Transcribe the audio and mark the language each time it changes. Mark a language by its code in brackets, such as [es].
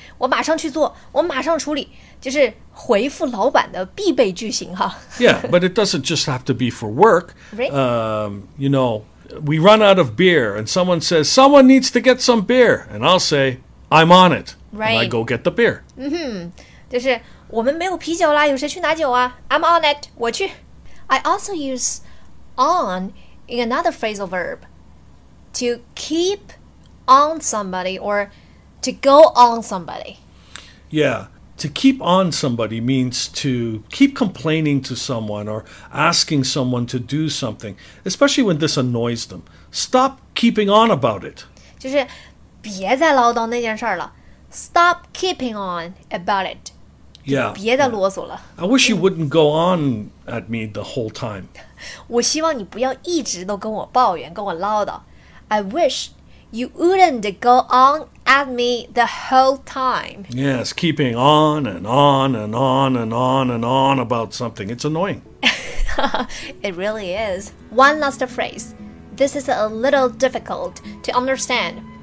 [zh] 我马上去做我马上处理就是回复老板的必备句型哈 [en] Yeah, but it doesn't just have to be for work. Right. You know, we run out of beer and someone says, someone needs to get some beer. And I'll say, I'm on it. Right. And I go get the beer. [zh] Mm-hmm. 就是我们没有啤酒啦，有谁去拿酒啊 ？ [en] I'm on it， [zh] 我去。 [en] I also use on in another phrasal verb to keep on somebody or to go on somebody. Yeah, to keep on somebody means to keep complaining to someone or asking someone to do something, especially when this annoys them. Stop keeping on about it. [zh] 就是别再唠叨那件事了。 [en] Stop keeping on about it. Yeah, I wish you wouldn't go on at me the whole time. [zh] 我希望你不要一直都跟我抱怨，跟我唠叨。 [en] I wish you wouldn't go on at me the whole time. Yes, keeping on and on and on and on and on about something. It's annoying. It really is. One last phrase. This is a little difficult to understand.